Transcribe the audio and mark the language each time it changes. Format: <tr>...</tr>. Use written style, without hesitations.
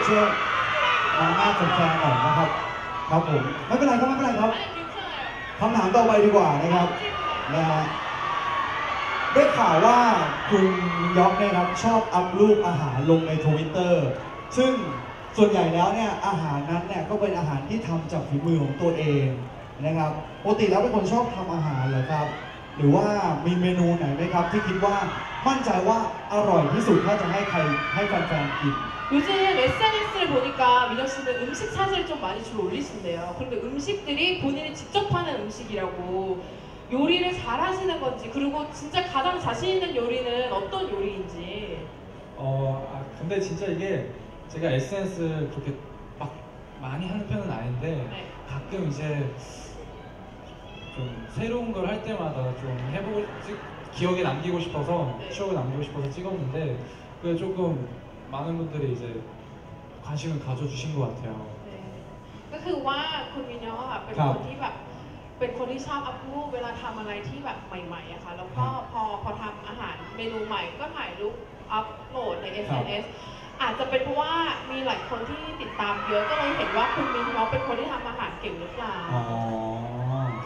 <th>เชื่อมาหน้าจอแฟนหน่อยนะครับครับผมไม่เป็นไรครับไม่เป็นไรครับคำถามต่อไปดีกว่านะครับนะฮะได้ข่าวว่าคุณย็อกเนี่ยครับชอบอัพรูปอาหารลงใน Twitter ซึ่งส่วนใหญ่แล้วเนี่ยอาหารนั้นเนี่ยก็เป็นอาหารที่ทำจากฝีมือของตัวเองนะครับปกติแล้วเป็นคนชอบทำอาหารเหรอครับหรือว่ามีเมนูไหนไหมครับที่คิดว่ามั่นใจว่าอร่อยที่สุดถ้าจะให้ใครให้แฟนๆกิน</th> <ko>요즘 SNS를 보니까 민혁 씨는 음식 사진을 좀 많이 주로 올리신대요 그런데 음식들이 본인이 직접 파는 음식이라고 요리를 잘 하시는 건지 그리고 진짜 가장 자신 있는 요리는 어떤 요리인지 근데 진짜 이게 제가 SNS를 그렇게 막 많이 하는 편은 아닌데 가끔 이제 좀 새로운 걸 할 때마다 좀 해보고 기억에 남기고 싶어서 추억을 남기고 싶어서 찍었는데 그게 조금많은분들이이제관심을가져주신것같아요 네그러니까</ko> <th>คุณมินยอค่ะเป็นคนที่แบบเป็นคนที่ชอบอัพรูปเวลาทําอะไรที่แบบใหม่ๆอ่ะค่ะแล้วก็พอทําอาหารเมนูใหม่ก็ถ่ายรูปอัพโหลดใน SNS อาจจะเป็นเพราะว่ามีหลายคนที่ติดตามเยอะก็เลยเห็นว่าคุณมินยอเป็นคนที่ทําอาหารเก่งหรือเปล่า</th>